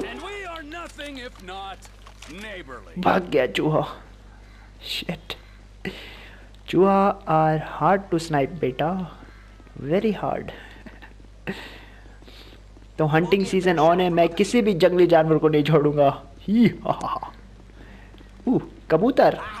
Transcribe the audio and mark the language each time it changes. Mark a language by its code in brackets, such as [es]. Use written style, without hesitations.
[en] And we are nothing if not neighborly. [hi] भाग गया चूहा। Shit. [en] Chua are hard to snipe, beta. Very hard. [hi] तो hunting season on है, मैं किसी भी जंगली जानवर को नहीं छोड़ूंगा. ही हा ओह कबूतर.